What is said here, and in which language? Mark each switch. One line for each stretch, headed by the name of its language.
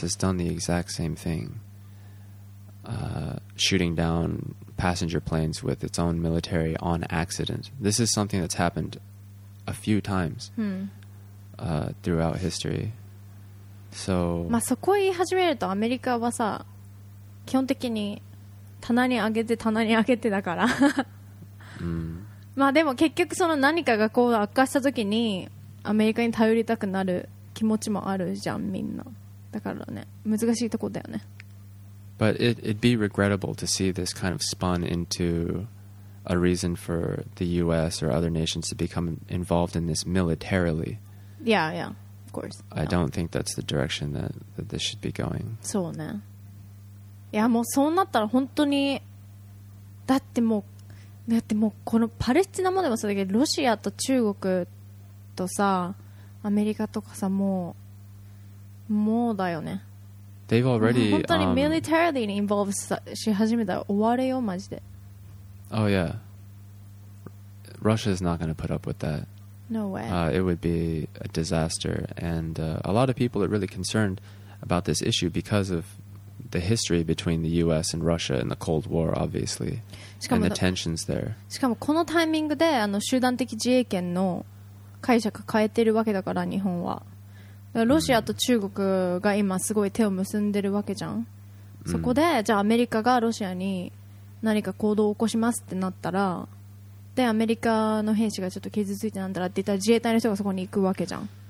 English: has done the exact same thing, shooting down passenger planes with its own military on accident. This is something that's happened a few times throughout history. So,
Japanese: まあそこ言い始めるとアメリカはさ、基本的に棚に上げて棚に上げてだから。まあでも結局その何かがこう悪化した時にアメリカに頼りたくなる気持ちもあるじゃん、みんな。だからね、難しいとこだよね。
English: But it'd be regrettable to see this kind of spun into a reason for the U.S. or other nations to become involved in this militarily. Yeah, yeah, of course. I don't think that's the direction that this should be going.
Japanese: そうね。いや、もうそうなったら本当にだってもう、だってもうこのパレスチナもでもそうだけど、ロシアと中国とさ、アメリカとかさ、もうだよね。
English: They've already,
Japanese: 本当に militarily に involve し始めたら終われよ、マジで。
English: Oh yeah. Russia's not going to put up with that. No way. It would be a disaster. And a lot of people are really concerned about this issue because of the history between the US and Russia and the Cold War, obviously. And the tensions there.
Japanese: しかもこのタイミングで、あの集団的自衛権の解釈変えてるわけだから、日本は。ロシアと中国が今すごい手を結んでるわけじゃん。そこでじゃあアメリカがロシアに何か行動を起こしますってなったら、でアメリカの兵士がちょっと傷ついてなんだらって言ったら自衛隊の人がそこに行くわけじゃん。